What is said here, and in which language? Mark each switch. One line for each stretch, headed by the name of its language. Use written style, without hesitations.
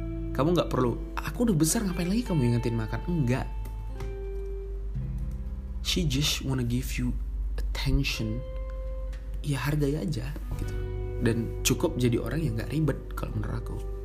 Indonesian: Kamu nggak perlu, aku udah besar ngapain lagi kamu ingetin makan? Enggak.
English: She just wanna give you attention.
Indonesian: Ya hargai aja gitu. Dan cukup jadi orang yang gak ribet kalau menurut aku.